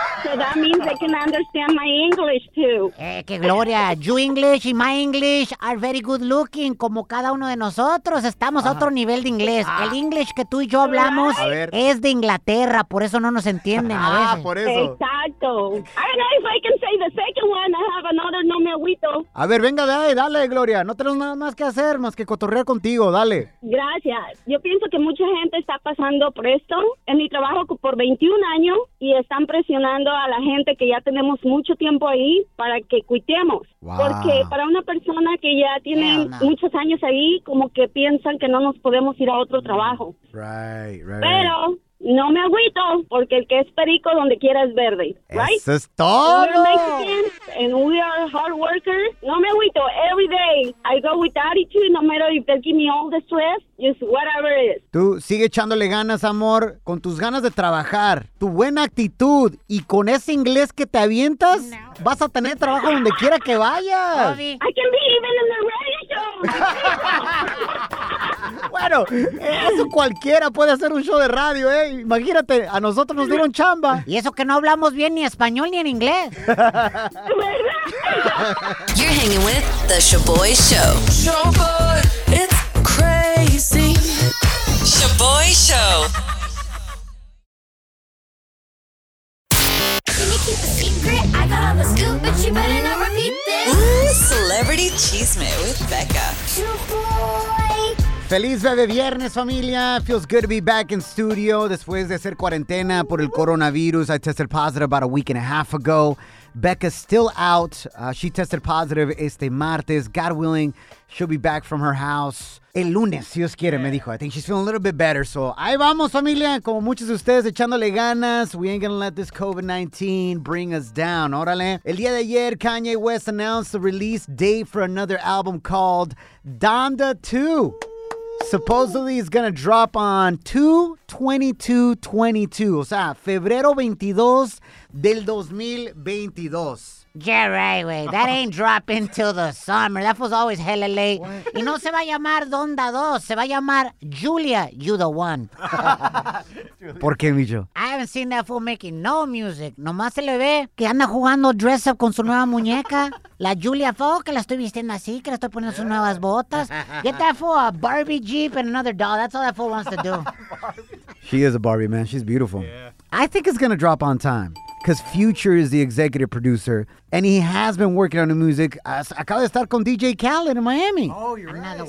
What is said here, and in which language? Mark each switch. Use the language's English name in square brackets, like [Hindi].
[English] So that means they can understand my English too. Que Gloria, you English y my English are very good looking. [Spanish] Como cada uno de nosotros, estamos a otro nivel de inglés. El English que tú y yo hablamos es de Inglaterra, por eso no nos entienden a veces. Ah, por eso. Exacto. [English] I don't know if I can say the second one. I have another [Spanish] no me agüito. A ver, venga, dale, Gloria. No tenemos nada más que hacer, más que cotorrear contigo, dale. Gracias. Yo pienso que mucha gente está pasando por esto. En mi trabajo por 21 años y están presionando a la gente que ya tenemos mucho tiempo ahí para que cuitemos. [English] Wow. [Spanish] Porque para una persona que ya tiene muchos años ahí, como que piensan que no nos podemos ir a otro trabajo. [English] Right, right. [Spanish] Pero no me agüito, porque el que es perico donde quiera es verde, [English] right? [Spanish] Eso es todo. [English] We're Mexican, and we are hard workers. [Spanish] No me agüito, [English] every day I go with attitude, no matter if they give me all the stress, just whatever it is. [Spanish] Tú sigue echándole ganas, amor, con tus ganas de trabajar, tu buena actitud, y con ese inglés que te avientas, no, vas a tener trabajo donde quiera que vayas. [English] Bobby. I can be even in the radio show. [Spanish] Bueno, eso cualquiera puede hacer un show de radio, ¿eh? Imagínate, a nosotros nos dieron chamba. Y eso que no hablamos bien ni español ni en inglés. [English] You're hanging with the Sha-Boy Show. Sha-Boy, it's crazy. Sha-Boy Show. Celebrity Chisme with Becca. [Spanish] Feliz bebé viernes, familia. [English] Feels good to be back in studio [Spanish] después de hacer cuarentena por el coronavirus. [English] I tested positive about a week and a half ago. Becca's still out. She tested positive [Spanish] este martes. [English] God willing, she'll be back from her house [Spanish] el lunes, si Dios quiere, me dijo. [English] I think she's feeling a little bit better. So [Spanish] ahí vamos, familia. Como muchos de ustedes, echándole ganas. [English] We ain't gonna let this COVID-19 bring us down. [Spanish] Órale. El día de ayer, [English] Kanye West announced the release date for another album called Donda 2. Supposedly it's gonna drop on 2/22/22, [Spanish] o sea, febrero 22 del 2022. [English] Yeah, right, wey. That ain't dropping till the summer. That was always hella late. What? [Spanish] Y no se va a llamar Donda 2. Se va a llamar Julia, [English] you the one. [Spanish] ¿Por qué, Micho? [English] I haven't seen that fool making no music. [Spanish] Nomás se le ve que anda jugando dress up con su nueva muñeca. La Julia Fox, que la estoy vistiendo así, que le estoy poniendo sus nuevas botas. [English] Get that fool a Barbie Jeep and another doll. That's all that fool wants to do. She is a Barbie, man. She's beautiful. Yeah. I think it's going to drop on time. Because Future is the executive producer, and he has been working on the music. [Spanish] Acaba de estar con DJ Khaled [English] in Miami. Oh, you're another right.